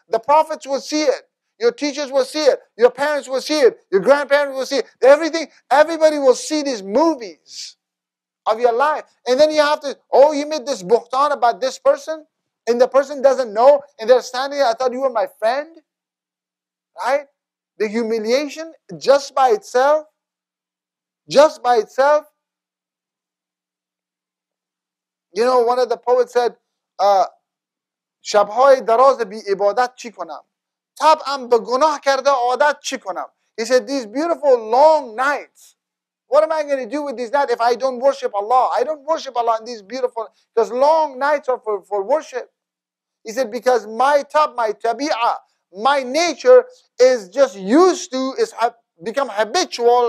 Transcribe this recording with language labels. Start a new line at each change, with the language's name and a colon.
English: The prophets will see it. Your teachers will see it. Your parents will see it. Your grandparents will see it. Everything. Everybody will see these movies of your life. And then you have to, oh, you made this buhtan about this person and the person doesn't know and they're standing there, I thought you were my friend. Right? The humiliation just by itself. You know, one of the poets said,
Persian: شبهای دراز بی عبادت چی کنم طبعم به گناه کرده عادت چی کنم.
English: He said, these beautiful long nights, what am I going to do with these nights if I don't worship Allah? I don't worship Allah in these beautiful, because long nights are for worship. He said, because my tabi'a, my nature is just used to, is become habitual.